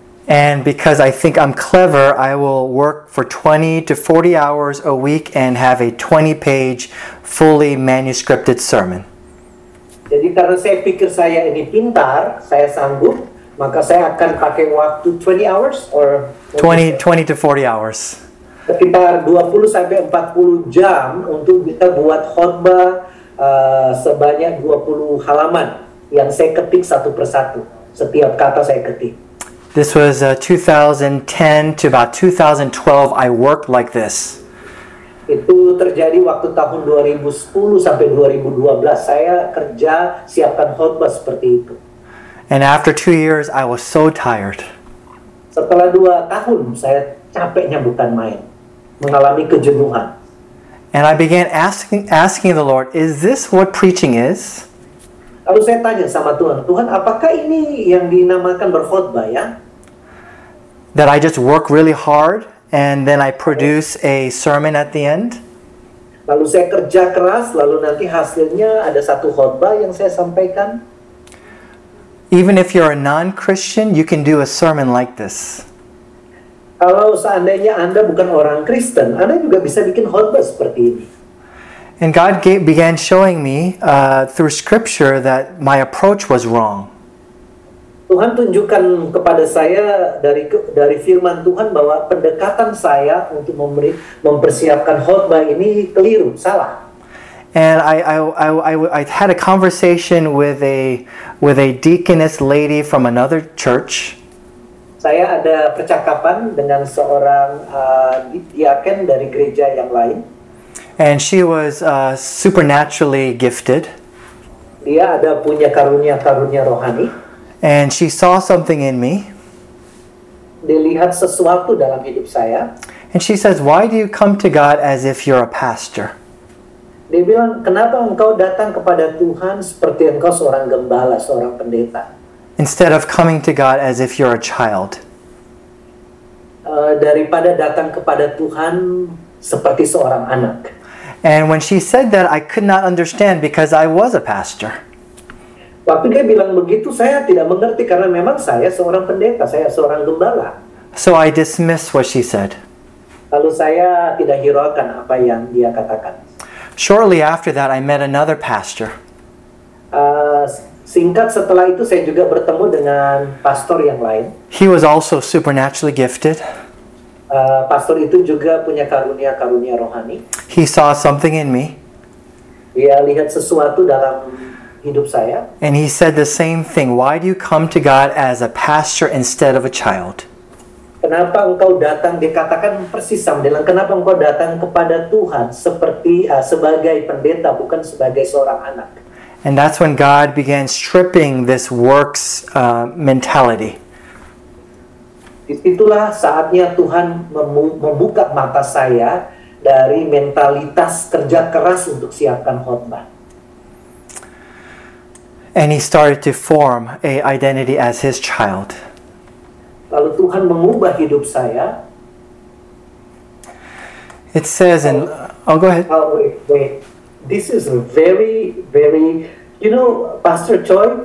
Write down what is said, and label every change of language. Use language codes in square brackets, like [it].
[en] And because I think I'm clever, I will work for 20 to 40 hours a week and have a 20-page fully manuscripted sermon. [id] Jadi karena saya pikir saya ini pintar, saya sanggup, maka saya akan pakai waktu [en] 20 hours or 20 to 40 hours. [id] Sekitar 20 sampai 40 jam untuk kita buat khotbah sebanyak 20 halaman yang saya ketik satu persatu. Setiap kata saya ketik. [en] This was 2010 to about 2012. I worked like this. [id] Itu terjadi waktu tahun 2010 sampai 2012. Saya kerja siapkan khotbah seperti itu. [en] And after 2 years, I was so tired. [id] Setelah 2 tahun, saya capeknya bukan main, mengalami kejenuhan. [en] And I began asking the Lord, "Is this what preaching is?" [id] Lalu saya tanya sama Tuhan, "Tuhan, apakah ini yang dinamakan berkhotbah ya?" [en] That I just work really hard and then I produce a sermon at the end. [id] Lalu saya kerja keras, lalu nanti hasilnya ada satu khotbah yang saya sampaikan. [en] Even if you're a non-Christian, you can do a sermon like this. [id] Kalau seandainya Anda bukan orang Kristen, Anda juga bisa bikin khotbah seperti ini. [en] And God began showing me through scripture that my approach was wrong. [id] Tuhan tunjukkan kepada saya dari firman Tuhan bahwa pendekatan saya untuk mempersiapkan khotbah ini keliru, salah. [en] And I had a conversation with a deaconess lady from another church. [id] Saya ada percakapan dengan seorang diaken dari gereja yang lain. [en] And she was supernaturally gifted. [id] Dia ada punya karunia-karunia rohani. [en] And she saw something in me. [id] Dilihat sesuatu dalam hidup saya. [en] And she says, "Why do you come to God as if you're a pastor?" [id] Dia bilang, "Kenapa engkau datang kepada Tuhan seperti engkau seorang gembala, seorang pendeta?" [en] Instead of coming to God as if you're a child. [id] Daripada datang kepada Tuhan seperti seorang anak. [en] And when she said that, I could not understand because I was a pastor. [id] Waktu dia bilang begitu, saya tidak mengerti karena memang saya seorang pendeta, saya seorang gembala. [en] So I dismissed what she said. [id] Lalu saya tidak hiraukan apa yang dia katakan. [en] Shortly after that, I met another pastor. [id] Singkat setelah itu, saya juga bertemu dengan pastor yang lain. [en] He was also supernaturally gifted. [id] Pastor itu juga punya karunia-karunia rohani. [en] He saw something in me. [id] Dia lihat sesuatu dalam hidup saya. [en] And he said the same thing. Why do you come to God as a pastor instead of a child? [id] Kenapa engkau datang, dikatakan persis sama dengan, kenapa engkau datang kepada Tuhan seperti sebagai pendeta, bukan sebagai seorang anak? [en] And that's when God began stripping this works mentality. [id] Itulah saatnya Tuhan membuka mata saya dari mentalitas kerja keras untuk siapkan khotbah. [en] And he started to form a identity as his child. [id] Lalu Tuhan mengubah hidup saya. [en] It says in... Oh, go ahead. Wait. This is very, very... You know Pastor Choi?